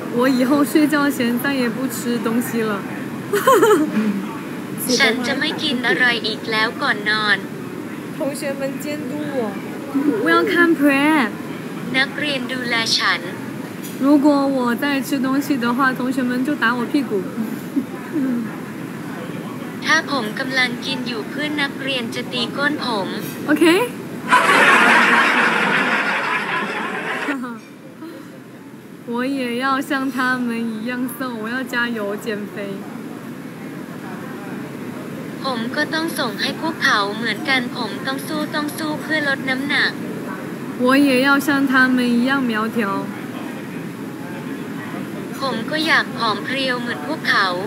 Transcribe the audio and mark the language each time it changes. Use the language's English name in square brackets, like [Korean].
[Chinese] 我以后睡觉前再也不吃东西了 [Thai] ฉันจะไม่กินอะไรอีกแล้วก่อนนอน [Chinese] 同学们监督我 [English] Welcome prep [Thai] นักเรียนดูแลฉัน [Chinese] 如果我再吃东西的话同学们就打我屁股 [Thai] ถ้าผมกำลังกินอยู่เพื่อนนักเรียนจะตีก้นผม [Chinese] OK我也要像他们一样瘦我要加油减肥 [Thai] ผมก็ต้องส่งให้พวกเขาเหมือนกันผมต้องสู้ต้องสู้เพื่อลดน้ำหนัก [Chinese] 我也要像他们一样苗条 [Thai] ผมก็อยากผอมเพรียวเหมือนพวกเขา